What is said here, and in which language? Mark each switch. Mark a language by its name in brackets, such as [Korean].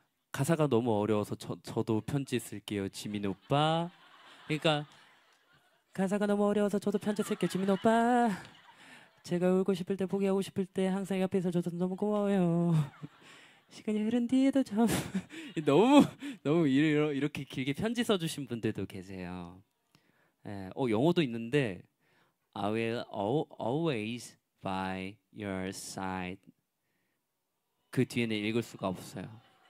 [Korean] 가사가 너무 어려워서 저도 편지 쓸게요. 지민 오빠. 그러니까. 가사가 너무 어려워서 저도 편지 쓸게요, 지민 오빠. 제가 울고 싶을 때, 포기하고 싶을 때 항상 옆에서 줘서 너무 고마워요. 시간이 흐른 뒤에도 참 너무 이렇게 길게 편지 써주신 분들도 계세요. 예, 영어도 있는데 [English] I will always by your side. [Korean] 그 뒤에는 읽을 수가 없어요.